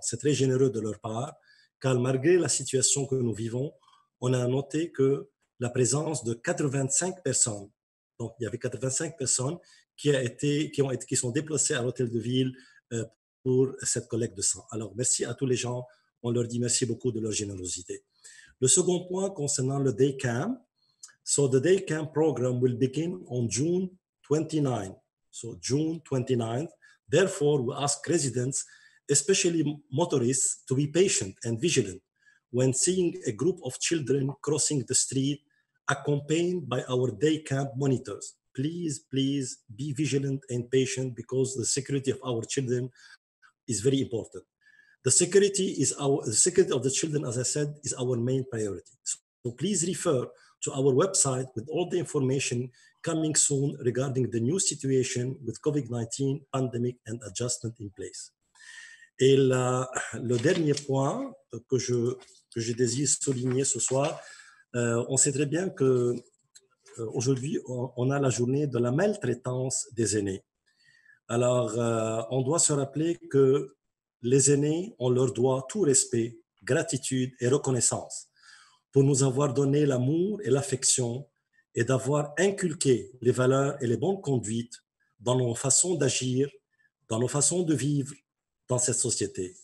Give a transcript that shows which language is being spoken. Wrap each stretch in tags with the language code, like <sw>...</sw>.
<fr>C'est très généreux de leur part, car malgré la situation que nous vivons, on a noté que la présence de 85 personnes, donc il y avait 85 personnes qui sont déplacées à l'hôtel de ville pour cette collecte de sang. Alors, merci à tous les gens. On leur dit merci beaucoup de leur générosité. Le second point concernant le day camp.</fr> <en>So the day camp program will begin on June 29. So June 29th. Therefore, we ask residents, especially motorists, to be patient and vigilant when seeing a group of children crossing the street accompanied by our day camp monitors. Please, please be vigilant and patient because the security of our children is very important. The security of the children, as I said, is our main priority. So please refer to our website with all the information coming soon regarding the new situation with COVID-19 pandemic and adjustment in place.</en> <fr>Et le dernier point que je désire souligner ce soir, on sait très bien que aujourd'hui on a la journée de la maltraitance des aînés. Alors on doit se rappeler que les aînés, on leur doit tout respect, gratitude et reconnaissance pour nous avoir donné l'amour et l'affection et d'avoir inculqué les valeurs et les bonnes conduites dans nos façons d'agir, dans nos façons de vivre dans cette société.</fr>